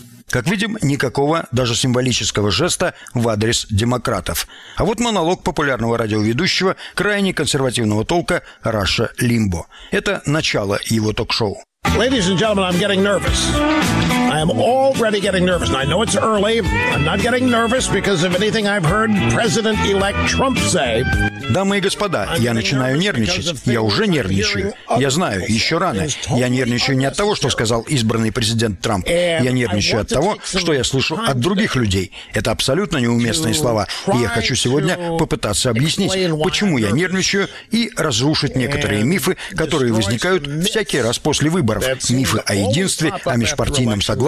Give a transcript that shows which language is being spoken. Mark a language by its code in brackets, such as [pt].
[ru] Как видим, никакого, даже символического жеста в адрес демократов. А вот монолог популярного радиоведущего крайне консервативного толка Раша Лимбо. Это начало его ток-шоу. [en] Ladies and gentlemen, I'm getting nervous. I am already getting nervous. I know it's early. I'm not getting nervous because of anything I've heard President-elect Trump say. [ru] Дамы и господа, я начинаю нервничать. Я уже нервничаю. Я знаю, еще рано. Я нервничаю не от того, что сказал избранный президент Трамп. Я нервничаю от того, что я слышу от других людей. Это абсолютно неуместные слова. И я хочу сегодня попытаться объяснить, почему я нервничаю, и разрушить некоторые мифы, которые возникают всякий раз после выборов. Мифы о единстве, о межпартийном согласии,